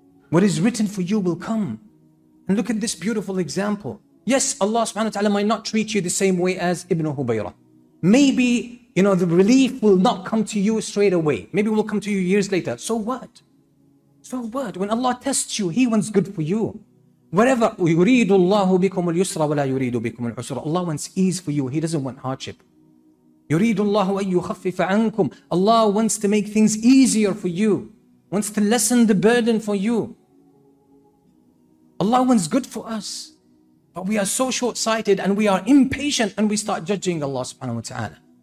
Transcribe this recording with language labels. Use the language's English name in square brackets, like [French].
[English] What is written for you will come. And look at this beautiful example. Yes, Allah subhanahu wa ta'ala might not treat you the same way as Ibn Hubayra. Maybe, you know, the relief will not come to you straight away. Maybe it will come to you years later. So what? So what? When Allah tests you, He wants good for you. [Arabic] Whatever, يُرِيدُ اللَّهُ بِكُمُ الْيُسْرَ وَلَا يُرِيدُ بِكُمُ الْعُسْرَ. [English] Allah wants ease for you. He doesn't want hardship. [Arabic] يُرِيدُ اللَّهُ أَن يُخَفِّفَ عَنْكُمْ. [English] Allah wants to make things easier for you. Wants to lessen the burden for you. Allah wants good for us, but we are so short-sighted and we are impatient and we start judging Allah subhanahu wa ta'ala.